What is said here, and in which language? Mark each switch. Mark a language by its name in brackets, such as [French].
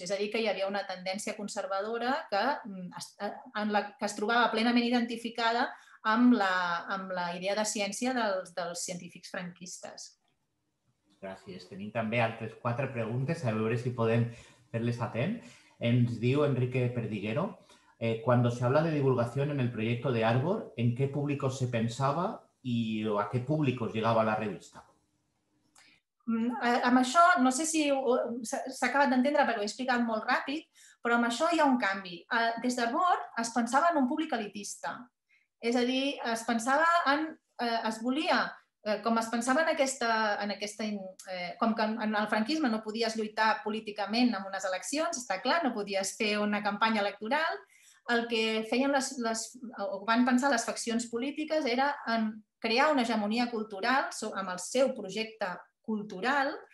[Catalan] És a dir, que hi havia una tendència conservadora que es trobava plenament identificada amb la idea de ciència dels científics franquistes. Gràcies. Tenim també altres quatre preguntes, a veure si podem fer-les a temps. Ens diu [Spanish] Enrique Perdiguero, cuando se habla de divulgación en el proyecto de Arbor, ¿en qué público se pensaba y a qué públicos llegaba la revista? [Catalan] Amb això, no sé si s'ha acabat d'entendre, però ho he explicat molt ràpid, però amb això hi ha un canvi. Des d'Arbor es pensava en un públic elitista. És a dir, es pensava en... es volia... com es pensava en aquesta com que en el franquisme no podies lluitar políticament en unes eleccions, està clar, no podies fer una campanya electoral, el que feien van pensar les faccions polítiques era en crear una hegemonia cultural amb el seu projecte cultural